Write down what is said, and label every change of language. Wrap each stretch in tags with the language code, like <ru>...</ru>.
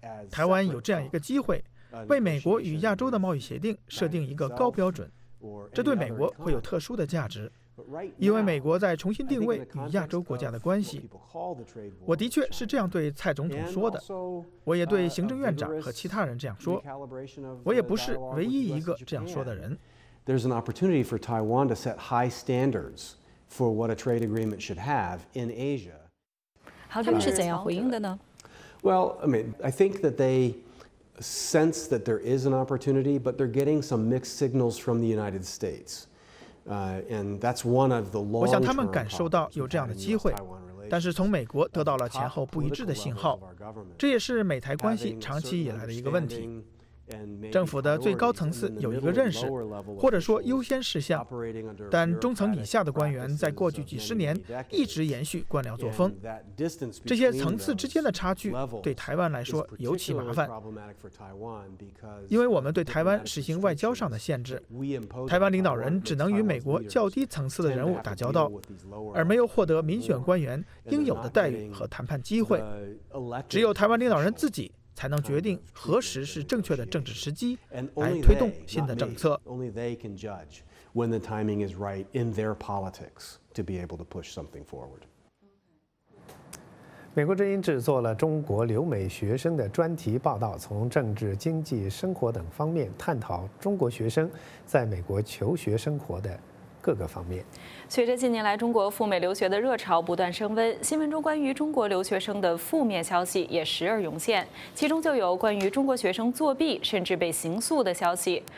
<zh>台湾有这样一个机会，为美国与亚洲的贸易协定设定一个高标准，这对美国会有特殊的价值，因为美国在重新定位与亚洲国家的关系。我的确是这样对蔡总统说的，我也对行政院长和其他人这样说，我也不是唯一一个这样说的人。</zh> <en>There's an opportunity for Taiwan to set high standards for what a trade agreement should have in Asia.</en> <zh>他们是怎样回应的呢？</zh> <en>Well, I mean, I think that they sense that there is an opportunity, but they're getting some mixed signals from the United States. And that's one of the long-term.</en> <zh>我想他们感受到有这样的机会，但是从美国得到了前后不一致的信号，这也是美台关系长期以来的一个问题。政府的最高层次有一个认识，或者说优先事项，但中层以下的官员在过去几十年一直延续官僚作风，这些层次之间的差距对台湾来说尤其麻烦，因为我们对台湾实行外交上的限制，台湾领导人只能与美国较低层次的人物打交道，而没有获得民选官员应有的待遇和谈判机会，只有台湾领导人自己才能决定何时是正确的政治时机来推动新的政策。</zh> <en>Only they can judge when the timing is right in their politics to be able to push something forward.</en> <zh>美国之音制作了中国留美学生的专题报道，从政治、经济、生活等方面探讨中国学生在美国求学生活的各个方面。随着近年来中国赴美留学的热潮不断升温，新闻中关于中国留学生的负面消息也时而涌现，其中就有关于中国学生作弊甚至被刑诉的消息。</zh>